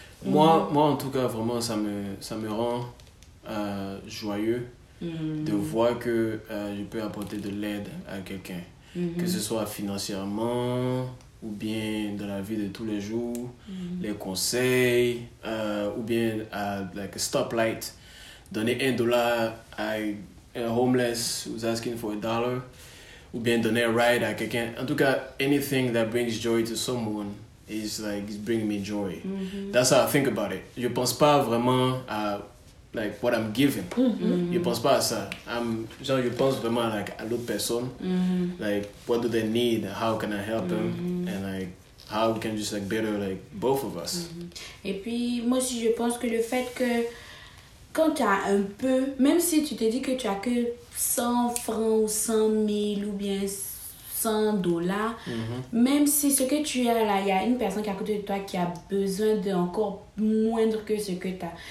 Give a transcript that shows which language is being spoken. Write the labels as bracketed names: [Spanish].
[French] Moi, en tout cas, vraiment, ça me rend joyeux de voir que je peux apporter de l'aide à quelqu'un, que ce soit financièrement ou bien dans la vie de tous les jours, les conseils, ou bien à [English] like, stoplight, [French] donner $1 à un [English] homeless who's asking for $1, [French] ou bien donner un ride à quelqu'un. En tout cas, [English] anything that brings joy to someone. It's like it's bringing me joy. That's how I think about it. [French] Je pense pas vraiment à [English] like what I'm giving. [French] Je pense pas à ça. Je pense vraiment like à l'autre personne. [English] Like what do they need? How can I help them? And like how we can just like better like both of us. [French] Et puis moi aussi je pense que le fait que quand tu as un peu, même si tu te dis que tu as que 100 francs ou 100 000 ou bien $100, même si ce que tu as là, il y a une personne qui est à côté de toi qui a besoin d'encore moindre que ce que tu as.